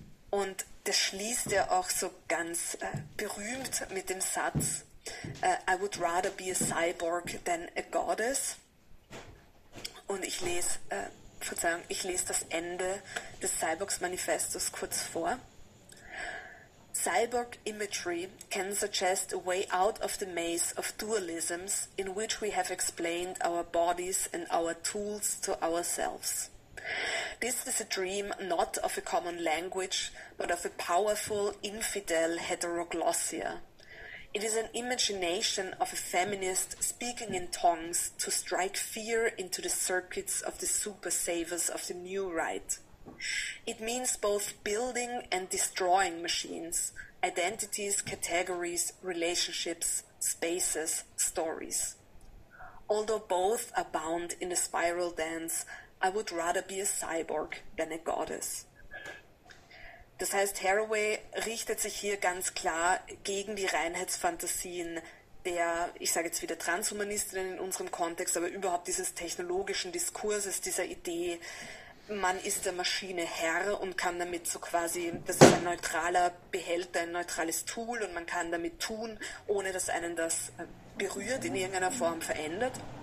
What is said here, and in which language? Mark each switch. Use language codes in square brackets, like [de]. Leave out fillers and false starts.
[de] Und das schließt ja auch so ganz berühmt mit dem Satz, [en] I would rather be a cyborg than a goddess. [de] Und ich lese, Verzeihung, ich lese das Ende des Cyborgs-Manifestos kurz vor. [en] Cyborg imagery can suggest a way out of the maze of dualisms in which we have explained our bodies and our tools to ourselves. This is a dream not of a common language, but of a powerful, infidel heteroglossia. It is an imagination of a feminist speaking in tongues to strike fear into the circuits of the super savers of the new right. It means both building and destroying machines, identities, categories, relationships, spaces, stories. Although both are bound in a spiral dance, I would rather be a cyborg than a goddess. [de] Das heißt, Haraway richtet sich hier ganz klar gegen die Reinheitsfantasien der, ich sage jetzt wieder Transhumanistinnen in unserem Kontext, aber überhaupt dieses technologischen Diskurses, dieser Idee, man ist der Maschine Herr und kann damit so quasi, das ist ein neutraler Behälter, ein neutrales Tool, und man kann damit tun, ohne dass einen das berührt, in irgendeiner Form verändert.